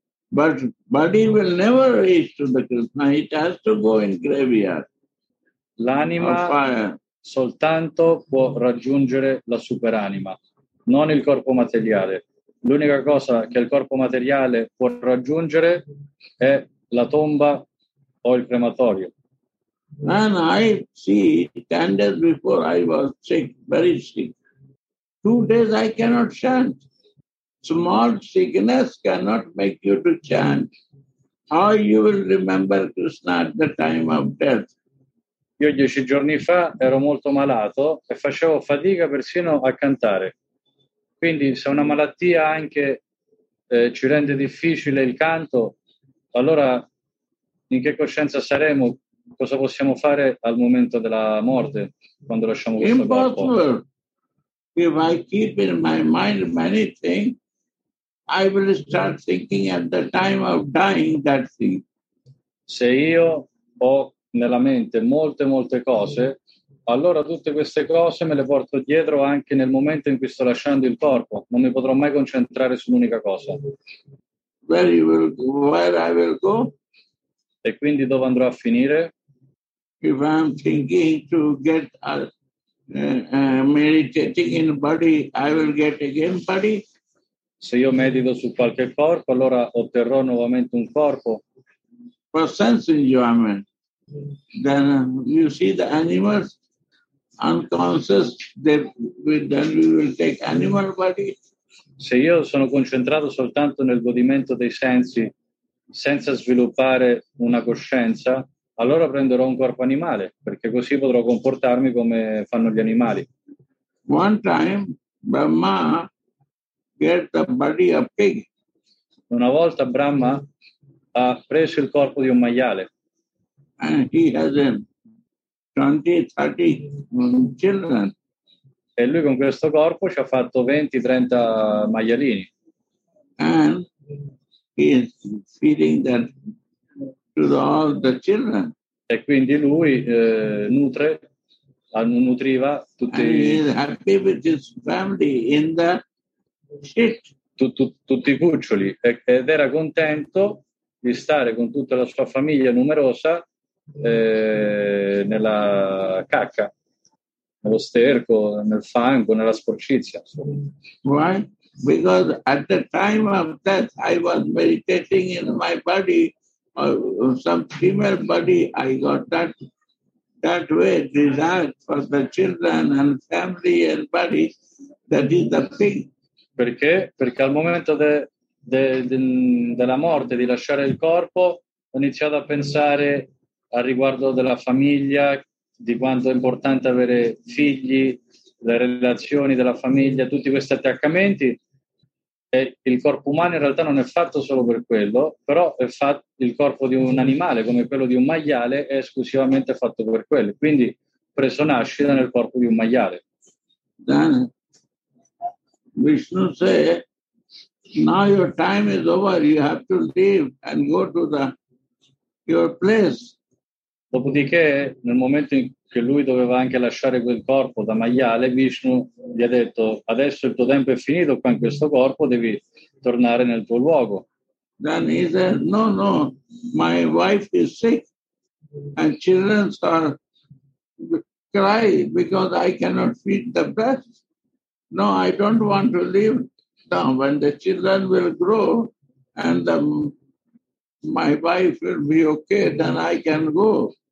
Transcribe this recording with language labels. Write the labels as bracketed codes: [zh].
[en] But body will never reach to the Krishna, it has to go in graveyard. [it] L'anima soltanto può raggiungere la superanima, non il corpo materiale. L'unica cosa che il corpo materiale può raggiungere è la tomba o il crematorio. [en] And I see 10 days before I was sick, very sick. 2 days I cannot chant. Small sickness cannot make you to chant. How you will remember Krishna at the time of death? [it] Io 10 giorni fa ero molto malato e facevo fatica persino a cantare. Quindi se una malattia anche ci rende difficile il canto, allora in che coscienza saremo? Cosa possiamo fare al momento della morte, quando lasciamo questo corpo? [en] Impossible. If I keep in my mind many things, I will start thinking at the time of dying that thing. [it] Se io ho nella mente molte, molte cose, allora tutte queste cose me le porto dietro anche nel momento in cui sto lasciando il corpo. Non mi potrò mai concentrare su un'unica cosa. [en] Where you will go, where I will go? [it] E quindi dove andrò a finire? [en] If I'm thinking to get meditating in body, I will get again body. [it] Se io medito su qualche corpo, allora otterrò nuovamente un corpo. [en] For sense enjoyment, then you see the animals unconscious, then we will take animal body. [it] Se io sono concentrato soltanto nel godimento dei sensi, senza sviluppare una coscienza, allora prenderò un corpo animale, perché così potrò comportarmi come fanno gli animali. [en] One time, Brahma get the body of pig. [it] Una volta Brahma ha preso il corpo di un maiale. [en] And he has 20-30 children. [it] E lui con questo corpo ci ha fatto 20-30 maialini. [en] And he is feeding them to all the children. [it] E quindi lui nutriva tutti. [en] And he is happy with his family in the shit. [it] Tutti i cuccioli, ed era contento di stare con tutta la sua famiglia numerosa nella cacca, nello sterco, nel fango, nella sporcizia. [en] Why? Because at the time of death I was meditating in my body, some female body, I got that way desire for the children and family and body, that is the thing. [it] Perché? Perché al momento della morte, di lasciare il corpo, ho iniziato a pensare al riguardo della famiglia, di quanto è importante avere figli, le relazioni della famiglia, tutti questi attaccamenti. E il corpo umano in realtà non è fatto solo per quello, però è fatto il corpo di un animale, come quello di un maiale, è esclusivamente fatto per quello. Quindi preso nascita nel corpo di un maiale. Bene. [en] Vishnu say, now your time is over, you have to leave and go to your place. [it] Dopodiché, nel momento in cui lui doveva anche lasciare quel corpo da maiale, Vishnu gli ha detto, adesso il tuo tempo è finito qua in questo corpo, devi tornare nel tuo luogo. [en] Then he said, no, my wife is sick and children are crying because I cannot feed the breast. No, I don't want to leave now. When the children will grow and my wife will be okay, then I can go.